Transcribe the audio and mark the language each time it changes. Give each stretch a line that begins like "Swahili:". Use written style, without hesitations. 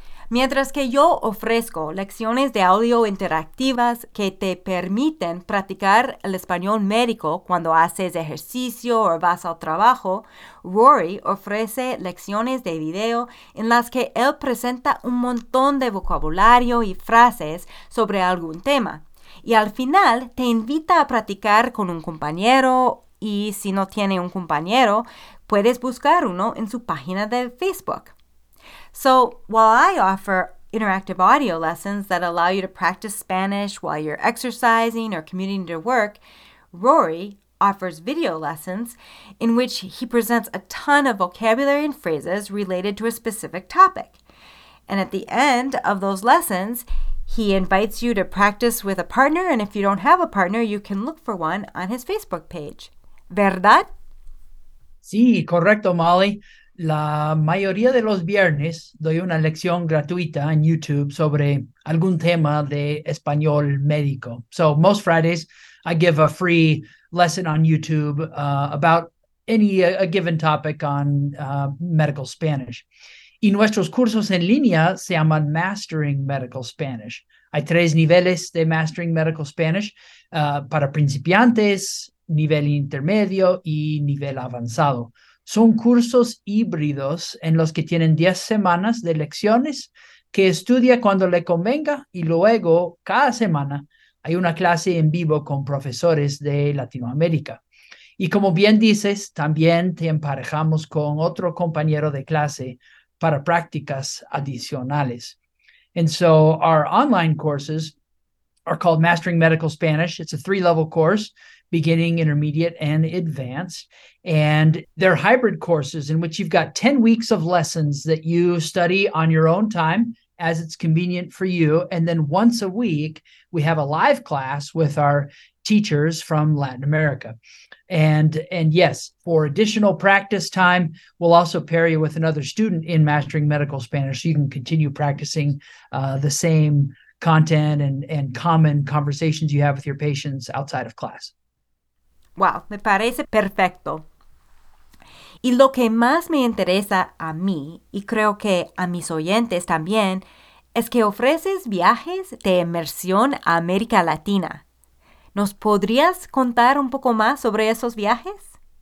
Spanish: Mientras que yo ofrezco lecciones de audio interactivas que te permiten practicar el español médico cuando haces ejercicio o vas al trabajo, Rory ofrece lecciones de video en las que él presenta un montón de vocabulario y frases sobre algún tema. Y al final, te invita a practicar con un compañero, y si no tiene un compañero, puedes buscar uno en su página de Facebook.
English: So, while I offer interactive audio lessons that allow you to practice Spanish while you're exercising or commuting to work, Rory offers video lessons in which he presents a ton of vocabulary and phrases related to a specific topic. And at the end of those lessons, he invites you to practice with a partner, and if you don't have a partner, you can look for one on his Facebook page.
Spanish: ¿Verdad? Sí, correcto, Molly. La mayoría de los viernes doy una lección gratuita en YouTube sobre algún tema de español médico.
English: So most Fridays, I give a free lesson on YouTube about any a given topic on medical Spanish.
Spanish: Y nuestros cursos en línea se llaman Mastering Medical Spanish. Hay tres niveles de Mastering Medical Spanish para principiantes, nivel intermedio y nivel avanzado. Son cursos híbridos en los que tienen 10 semanas de lecciones que estudia cuando le convenga y luego cada semana hay una clase en vivo con profesores de Latinoamérica. Y como bien dices, también te emparejamos con otro compañero de clase para prácticas adicionales.
English: And so our online courses are called Mastering Medical Spanish. It's a 3-level course, beginning, intermediate, and advanced. And they're hybrid courses in which you've got 10 weeks of lessons that you study on your own time as it's convenient for you. And then once a week, we have a live class with our teachers from Latin America. And yes, for additional practice time, we'll also pair you with another student in Mastering Medical Spanish so you can continue practicing the same content and common conversations you have with your patients outside of class.
Spanish: Wow, me parece perfecto. Y lo que más me interesa a mí, y creo que a mis oyentes también, es que ofreces viajes de inmersión a América Latina. ¿Nos podrías contar un poco más sobre esos viajes?